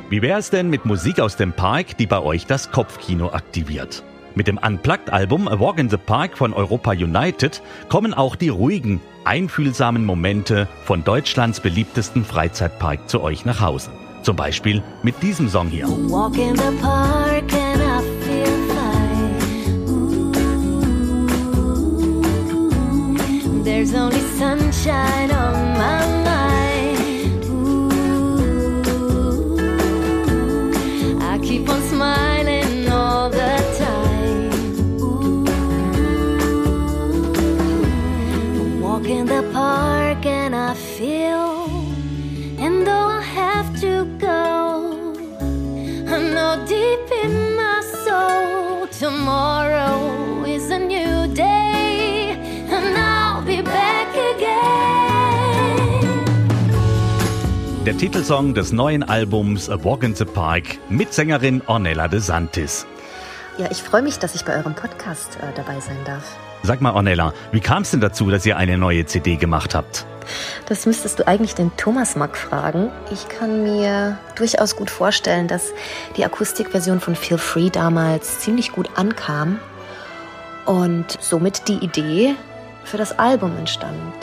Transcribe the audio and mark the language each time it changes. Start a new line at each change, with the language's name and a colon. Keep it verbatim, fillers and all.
German: Wie wäre es denn mit Musik aus dem Park, die bei euch das Kopfkino aktiviert? Mit dem Unplugged-Album A Walk in the Park von Europa United kommen auch die ruhigen, einfühlsamen Momente von Deutschlands beliebtesten Freizeitpark zu euch nach Hause. Zum Beispiel mit diesem Song hier.
English: Walk in the park and I feel fine. Ooh, there's only sunshine on my mind. Ooh, I keep on smiling all the time. Ooh, walk in the park and I feel. And though I have to go, I know deep in my soul, tomorrow is a new day, and I'll be back again.
German: Der Titelsong des neuen Albums A Walk in the Park mit Sängerin Ornella De Santis. Ja, ich freue mich, dass ich bei eurem Podcast äh, dabei sein darf. Sag mal, Ornella, wie kam es denn dazu, dass ihr eine neue C D gemacht habt? Das müsstest du eigentlich den Thomas Mack fragen. Ich kann mir durchaus gut vorstellen, dass die Akustikversion von Feel Free damals ziemlich gut ankam und somit die Idee für das Album entstand.